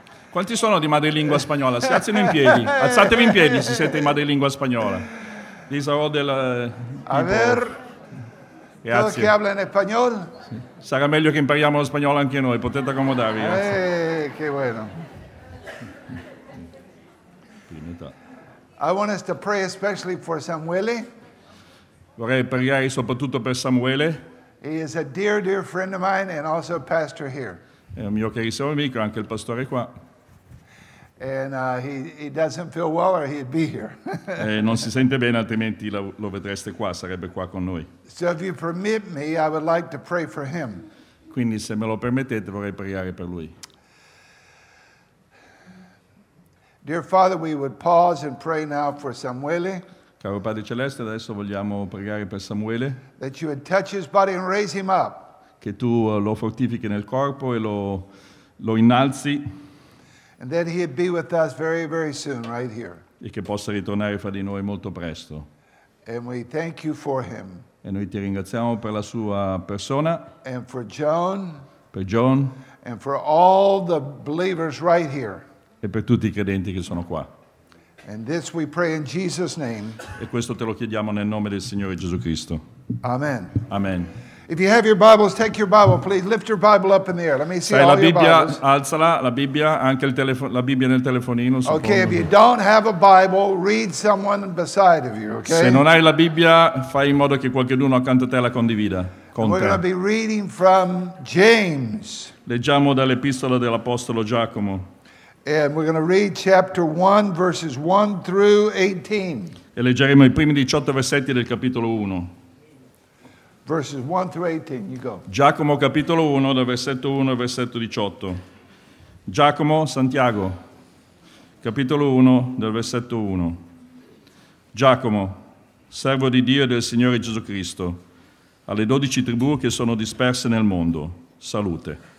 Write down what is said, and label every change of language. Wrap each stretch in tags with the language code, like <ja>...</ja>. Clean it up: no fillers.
<it>Quanti sono di madrelingua spagnola? Si alzino in piedi. Alzatevi in piedi se siete di madrelingua spagnola.</it> <en>These are all the</en> <es>A ver,</es> <it>quello che habla in spagnolo? Sì. Sarà meglio che impariamo lo spagnolo anche noi, potete accomodarvi.</it> <es>Che bueno.</es> <en>I want us to pray especially for Samuele.</en> <it>Vorrei pregare soprattutto per Samuele.</it> <en>He is a dear, dear friend of mine and also a pastor here.</en> <it>È un mio carissimo amico, anche il pastore qua.</it> <en>And he doesn't feel well or he'd be here.</en> <it>Non si sente bene, altrimenti lo vedreste qua, sarebbe qua con noi.</it> <en>So if you permit me, I would like to pray for him.</en> <it>Quindi se me lo permettete, vorrei pregare per lui.</it> <en>Dear Father, we would pause and pray now for Samuele.</en> <it>Caro Padre Celeste, adesso vogliamo pregare per Samuele.</it> <en>That you would touch his body and raise him up.</en> <it>Che tu lo fortifichi nel corpo e lo innalzi.</it> <en>And that he'd be with us very, very soon, right here.</en> <it>E che possa ritornare fra di noi molto presto.</it> <en>And we thank you for him.</en> <it>E noi ti ringraziamo per la sua persona.</it> <en>And for John.</en> <it>Per John.</it> <en>And for all the believers right here.</en> <it>E per tutti i credenti che sono qua.</it> <en>And this we pray in Jesus' name.</en> <it>E questo te lo chiediamo nel nome del Signore Gesù Cristo.</it> <en>Amen.</en> <it>Amen.</it> <en>If you have your Bibles, take your Bible, please lift your Bible up in the air. Let me see all</en> <it>la Bibbia,</it> <en>your Bibles.</en> <it>Alzala, la Bibbia, anche la Bibbia nel telefonino.</it> <en>Okay, if you don't have a Bible, read someone beside of you, okay?</en> <it>Se non hai la Bibbia, fai in modo che qualcuno accanto a te la condivida.</it> <en>Con we're going to be reading from James.</en> <it>Leggiamo dall'epistola dell'Apostolo Giacomo.</it> <en>And we're going to read chapter 1, verses 1 through 18.</en> <it>E leggeremo i primi 18 versetti del capitolo 1.</it> <en>Verses 1 through 18, you go.</en> <it>Giacomo capitolo 1, dal versetto 1 al versetto 18. Giacomo, Santiago, capitolo 1, dal versetto 1. Giacomo, servo di Dio e del Signore Gesù Cristo, alle 12 tribù che sono disperse nel mondo, salute.</it>